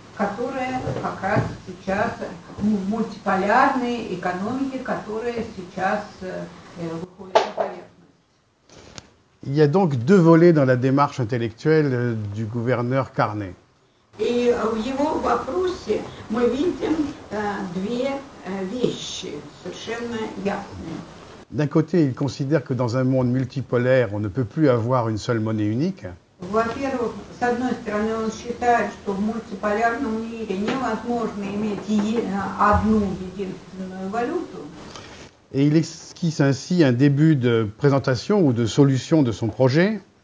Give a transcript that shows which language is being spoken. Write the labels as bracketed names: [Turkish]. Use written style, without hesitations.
[Russian] Которая как раз сейчас в мультиполярной экономике, которая сейчас выходит на поверхность. [French] Il y a donc deux volets dans la démarche intellectuelle du gouverneur Carney. [Russian] Et в его вопросе мы видим две вещи совершенно ясные. [French] D'un côté, il considère que dans un monde multipolaire, on ne peut plus avoir une seule monnaie unique. [Russian] Во-первых, с одной стороны, он считает, что в мультиполярном мире невозможно иметь одну единственную валюту. [French] Et il esquisse ainsi un début de présentation ou de solution de son projet.